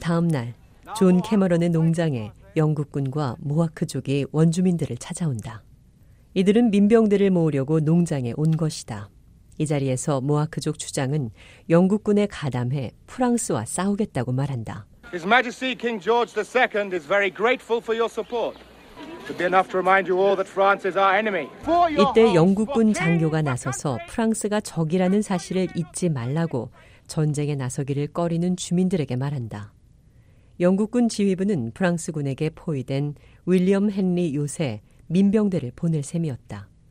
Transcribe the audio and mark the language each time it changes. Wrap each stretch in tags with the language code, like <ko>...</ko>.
<ko>다음 날, 존 캐머런의 농장에 영국군과 모하크족이 원주민들을 찾아온다. 이들은 민병대를 모으려고 농장에 온 것이다. 이 자리에서 모하크족 주장은 영국군에 가담해 프랑스와 싸우겠다고 말한다.</ko> <en>His Majesty King George II is very grateful for your support. It would be enough to remind you all that France is our enemy.</en> <ko>이때 영국군 장교가 나서서 프랑스가 적이라는 사실을 잊지 말라고 전쟁에 나서기를 꺼리는 주민들에게 말한다. 영국군 지휘부는 프랑스군에게 포위된 윌리엄 헨리 요새 민병대를 보낼 셈이었다.</ko>